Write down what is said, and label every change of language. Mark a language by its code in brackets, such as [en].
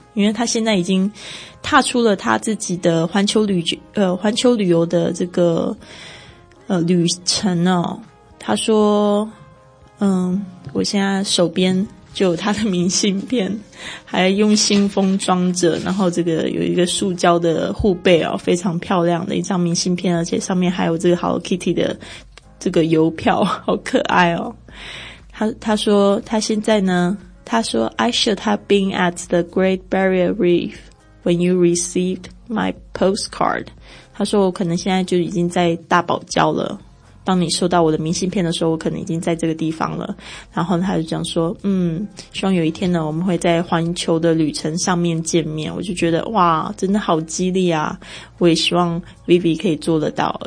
[zh] 因为他现在已经踏出了他自己的环球旅游的这个旅程哦。他说我现在手边就有他的明信片，还用信封装着，然后这个有一个塑胶的护背哦，非常漂亮的一张明信片，而且上面还有这个 Hello Kitty 的这个邮票，好可爱哦。他说 [en] I should have been at the Great Barrier Reef when you received my postcard. [zh] 他说我可能现在就已经在大堡礁了，当你收到我的明信片的时候，我可能已经在这个地方了。然后他就讲说，希望有一天呢，我们会在环球的旅程上面见面。我就觉得，哇，真的好激励啊！我也希望 Vivi 可以做得到。